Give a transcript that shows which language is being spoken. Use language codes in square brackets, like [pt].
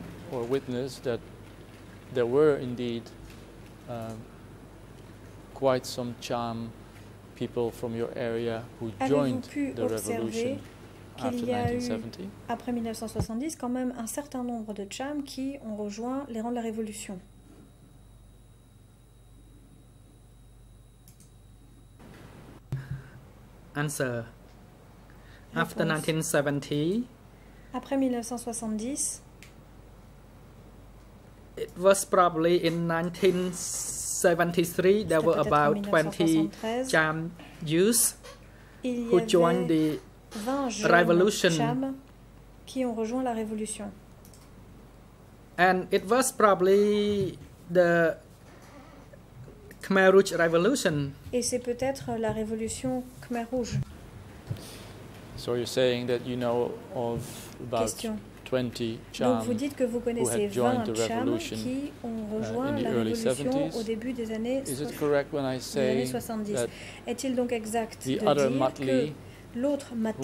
[en] Or witness that there were indeed quite some charm people from your area who [fr] avez-vous [en] joined [fr] pu [en] the revolution? [fr] Qu'il y a eu, après 1970, quand même un certain nombre de Cham qui ont rejoint les rangs de la Révolution. [en] Answer. [fr] Réponse. [en] After 1970, [fr] après 1970, [en] it was probably in 1973, there were about 20 Cham youths who joined the [fr] 20 jeunes Cham qui ont rejoint la révolution. [en] And it was probably the Khmer Rouge revolution. [fr] Et c'est peut-être la révolution Khmer Rouge. [en] So you're saying that you know of about 20 Cham. [fr] Donc vous dites que vous connaissez 20 Cham qui ont rejoint la révolution au début des années 70. Est-il donc exact de dire que l'autre Matli,